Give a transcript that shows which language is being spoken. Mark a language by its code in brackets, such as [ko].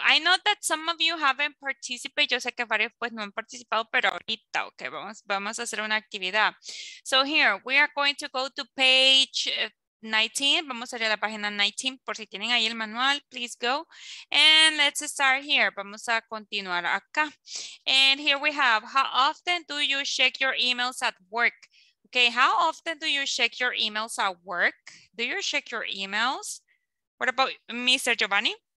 [en] I know that some of you haven't participated. [es] Yo sé que varios pues no han participado, pero ahorita, okay, vamos a hacer una actividad. [en] So here, we are going to go to page 19. [es] Vamos a ir a la página 19, por si tienen ahí el manual, [en] please go. And let's start here. [es] Vamos a continuar acá. [en] And here we have, how often do you check your emails at work? Okay, how often do you check your emails at work? Do you check your emails? What about Mr. Giovanni?